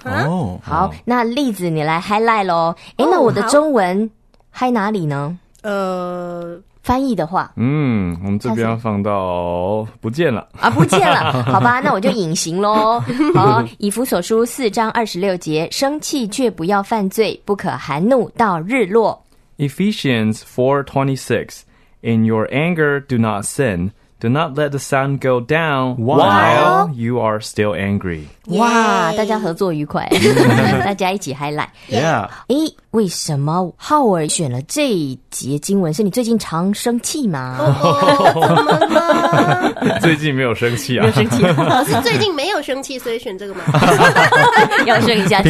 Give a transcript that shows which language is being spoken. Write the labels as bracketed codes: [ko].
[zh] uh-huh ，好，那例子你来 highlight 喽，哎、欸，那我的中文 high 哪里呢？翻译的话，嗯，我们这边要放到不见了啊，不见了，好吧，那我就隐形咯。好，以弗所书四章二十六节，生气却不要犯罪，不可含怒到日落。 [en] Ephesians 4:26, In your anger, do not sin. Do not let the sun go down while you are still angry. [zh] 哇，大家合作愉快，大家一起 highlight。 [en] Yeah. [zh] 欸，为什么浩尔选了这一节经文？是你最近常生气吗？哦、怎么了？最近没有生气啊，没有生气、啊，是最近没有生气，所以选这个吗？要生一下气，